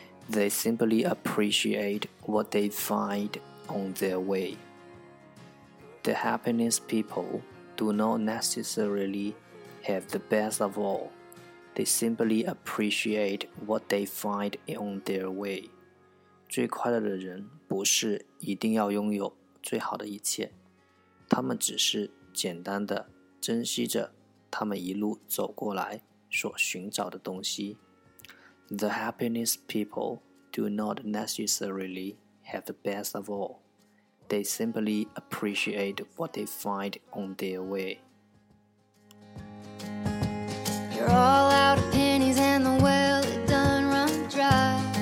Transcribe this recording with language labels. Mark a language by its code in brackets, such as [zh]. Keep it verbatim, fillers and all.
[en] They simply appreciate what they find on their way. The happiest people do not necessarily have the best of all. They simply appreciate what they find on their way. [zh] 最快乐的人不是一定要拥有最好的一切，他们只是简单的珍惜着他们一路走过来所寻找的东西。 [en] The happiest people do not necessarily have the best of all. They simply appreciate what they find on their way. You're all out of pennies and the well it done run dry.